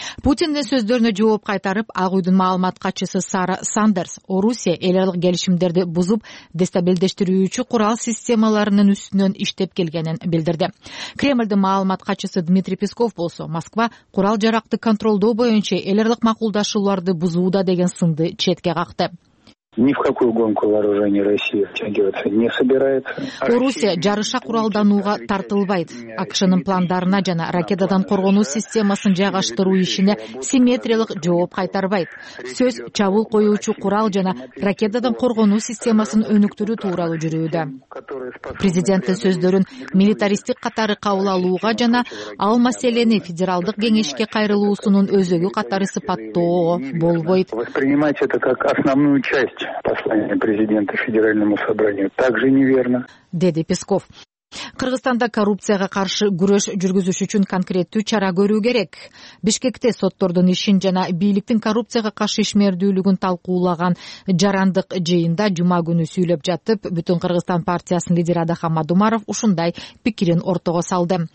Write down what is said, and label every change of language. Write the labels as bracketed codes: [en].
[ky] Путиндин сөздөрүнө жооп кайтарып, Ак Үйдүн маалымат катчысы Сара Сандерс Орусия эл аралык келишимдерди бузуп, дестабилдештирүүчү курал системаларынын үстүнөн иштеп келгенин билдирди. Кремлдин маалымат катчысы Дмитрий Песков болсо, Москва курал жаракты контролдоо боюнча эл аралык макулдашууларды бузууда деген сынды четке какты. [ru] Ни в какую гонку вооружений Россия втягиваться не собирается. [ky] Орусия жарыша куралданууга тартылбайт. АКШнын пландарына жана ракетадан коргонуу системасын жайгаштыруу ишине симметриялык жооп кайтарбайт. Сөз чабуул коюучу курал жана ракетадан коргонуу системасын өнүктүрүү тууралуу жүрүүдө. Президенттин сөздөрүн милитаристтик катары кабыл алууга жана ал маселени федералдык кеңешке кайрылуусунун өзөгү катары сыпаттоо болбойт. [ru] Воспринимать это как основную часть послание президента федеральному собранию также неверно, [ky] деди Песков. Кыргызстанда коррупцияга каршы күрөш жүргүзүш үчүн конкреттүү чара көрүү керек. Бишкекте соттордун ишин жана бийликтин коррупцияга каршы ишмердүүлүгүн талкуулаган жарандык жыйында жума күнү сүйлөп жатып, бүтүн Кыргызстан партиясынын лидери Адахам Адумаров ушундай пикирин ортого салды.